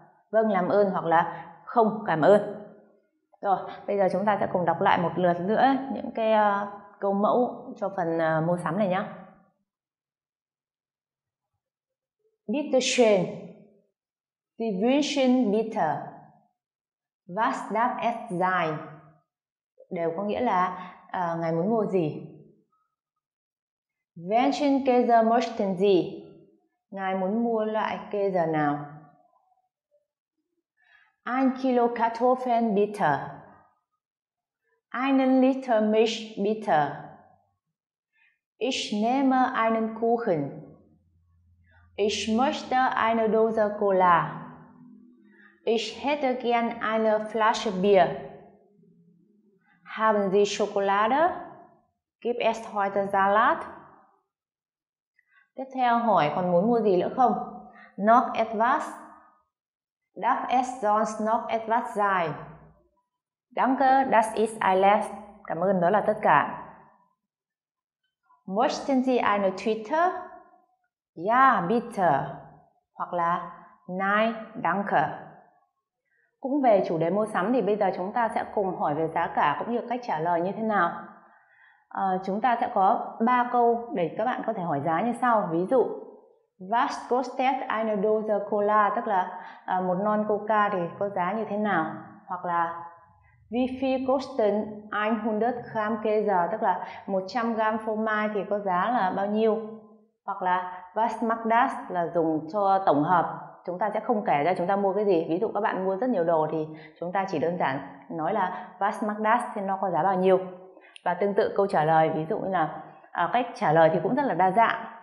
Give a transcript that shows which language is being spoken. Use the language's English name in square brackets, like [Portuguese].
[Vietnamese] Vâng, làm ơn hoặc là không, cảm ơn. Rồi, bây giờ chúng ta sẽ cùng đọc lại một lượt nữa những cái câu mẫu cho phần mua sắm này nhé. [German] Bitte schön. Sie wünschen bitte. Was darf es sein? [Vietnamese] Đều có nghĩa là ngài muốn mua gì. [German] Welchen Käse möchten Sie? [Vietnamese] Ngài muốn mua loại Käse nào? [German] Ein Kilo Kartoffeln bitte. Einen Liter Milch bitte. Ich nehme einen Kuchen. Ich möchte eine Dose Cola. Ich hätte gern eine Flasche Bier. Haben Sie Schokolade? Gibt es heute Salat? [Vietnamese] Tiếp theo hỏi còn muốn mua gì nữa không? [German] Noch etwas? Darf es sonst noch etwas sein? Danke, das ist alles. [Vietnamese] Cảm ơn, đó là tất cả. [German] Möchten Sie eine Tüte? Ja, bitte. [Vietnamese] Hoặc là [German] Nein, danke. [Vietnamese] Cũng về chủ đề mua sắm thì bây giờ chúng ta sẽ cùng hỏi về giá cả cũng như cách trả lời như thế nào. Chúng ta sẽ có 3 câu để các bạn có thể hỏi giá như sau. Ví dụ, [German] Was kostet eine Dose Cola? [Vietnamese] Tức là một lon Coca thì có giá như thế nào? Hoặc là [German] Wie viel kosten 100 Gramm Käse? [Vietnamese] Tức là 100 gram phô mai thì có giá là bao nhiêu? Hoặc là [German] Was macht das? [Vietnamese] Là dùng cho tổng hợp. Chúng ta sẽ không kể ra chúng ta mua cái gì. Ví dụ các bạn mua rất nhiều đồ thì chúng ta chỉ đơn giản nói là [German] Was macht das? [Vietnamese] Thì nó có giá bao nhiêu? Và tương tự câu trả lời, ví dụ như là cách trả lời thì cũng rất là đa dạng.